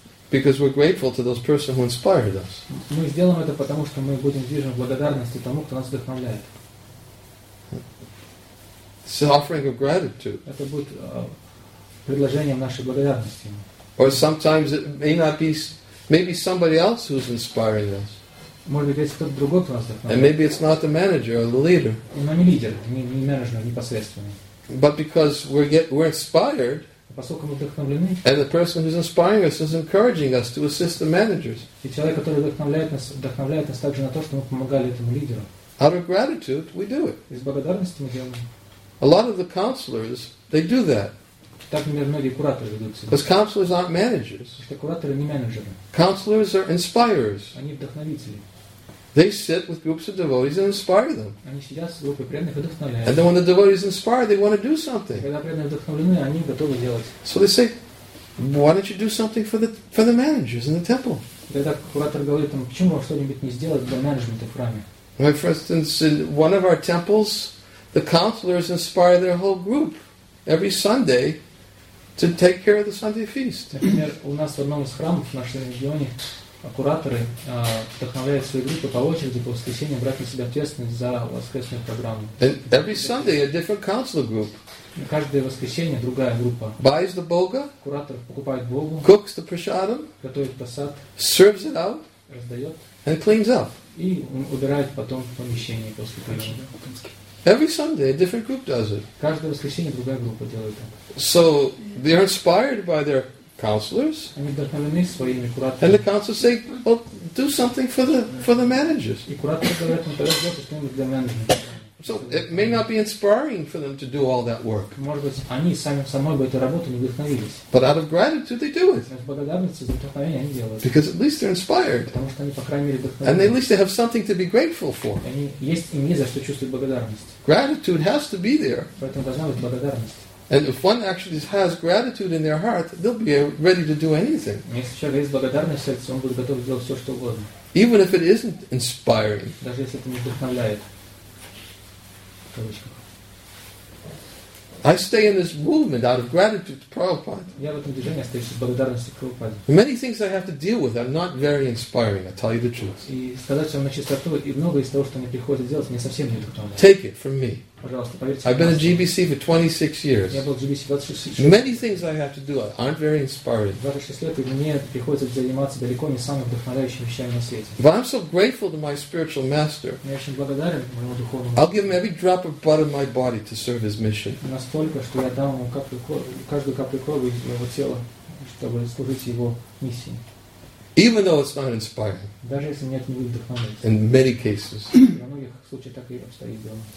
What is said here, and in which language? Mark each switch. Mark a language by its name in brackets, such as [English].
[English] Because we're grateful to those person who inspired us. [Russian] Мы сделаем это потому, что мы будем движим благодарностью тому, кто нас вдохновляет. [English] It's an offering of gratitude. [Russian] Это будет предложением нашей благодарности. [English] Or sometimes it may not be, maybe somebody else who's inspiring us. [Russian] Может быть, есть кто-то другой, кто нас вдохновляет. [English] And maybe it's not the manager or the leader. [Russian] Но не лидер, не менеджер непосредственно. [English] But because we're inspired. [Russian] поскольку мы вдохновлены. [English] And the person who's inspiring us is encouraging us to assist the managers. [Russian] И человек, который вдохновляет нас также на то, что мы помогали этому лидеру. [English] Out of gratitude, we do it. [Russian] Из благодарности мы делаем. [English] A lot of the counselors, they do that. [Russian] Так, например, многие кураторы ведут себя. [English] Because counselors aren't managers. [Russian] Потому что кураторы не менеджеры. [English] Counselors are inspirers. [Russian] Они вдохновители. [English] They sit with groups of devotees and inspire them. [Russian] Они сидят с группой преданных и вдохновляют. [English] And then when the devotees inspire, they want to do something. [Russian] Когда преданные вдохновлены, они готовы делать. [English] So they say, why don't you do something for the managers in the temple? [Russian] Тогда куратор говорит им, почему вам что-нибудь не сделать для менеджмента в храме? [English] Like for instance, in one of our temples, the counselors inspire their whole group every Sunday to take care of the Sunday feast. [Russian] Например, у нас в одном из храмов в нашем регионе кураторы вдохновляют свою группу по очереди по воскресеньям брать на себя ответственность за воскресную программу. [English] And every Sunday a different counselor group. [Russian] Каждое воскресенье другая группа. [English] Buys the bulga. [Russian] Кураторы покупают булгу. [English] Cooks the prasadam. [Russian] Готовит прасад. [English] Serves it out. [Russian] Раздает. [English] And cleans up. [Russian] И убирает потом помещение после приема. [English] Every Sunday a different group does it. [Russian] Каждое воскресенье другая группа делает это. [English] So they are inspired by their counselors. [Russian] Они вдохновлены своими кураторами. [English] And the counselors say, well, do something for the managers. [Russian] И кураторы говорят, ну тогда сделайте что-нибудь для менеджеров. [English] So it may not be inspiring for them to do all that work. [Russian] Может быть, они сами самой бы этой работой не вдохновились. [English] But out of gratitude, they do it. [Russian] Но с благодарностью за вдохновение они делают. [English] Because at least they're inspired. [Russian] Потому что они по крайней мере вдохновлены. [English] And at least they have something to be grateful for. [Russian] Они есть им за что чувствовать благодарность. [English] Gratitude has to be there. [Russian] Поэтому должна быть благодарность. [English] And if one actually has gratitude in their heart, they'll be ready to do anything. [Russian] Если человек есть благодарность в сердце, он будет готов сделать все что угодно. [English] Even if it isn't inspiring. [Russian] Даже если это не вдохновляет. [English] I stay in this movement out of gratitude to Prabhupada. [Russian] Я в этом движении остаюсь из благодарности к Прабхупаде. [English] Many things I have to deal with are not very inspiring, I tell you the truth. [Russian] И сказать вам на чистоту, и многое из того, что мне приходится делать, мне совсем не вдохновляет. [English] Take it from me. [Russian] Пожалуйста, поверьте. [English] I've been a GBC for 26 years. [Russian] Я был в GBC 26 лет. [English] Many things I have to do aren't very inspiring. [Russian] 26 лет, и мне приходится заниматься далеко не самыми вдохновляющими вещами на свете. [English] But I'm so grateful to my spiritual master. [Russian] Я очень благодарен моему духовному. [English] I'll give him every drop of blood in my body to serve his mission. [Russian] Настолько, что я дам ему каждую каплю крови из моего тела, чтобы служить его миссии. [English] Even though it's not inspiring. [Russian] Даже если нет, не вдохновляет. [English] In many cases. [Russian] Во многих случаях так и обстоит дело.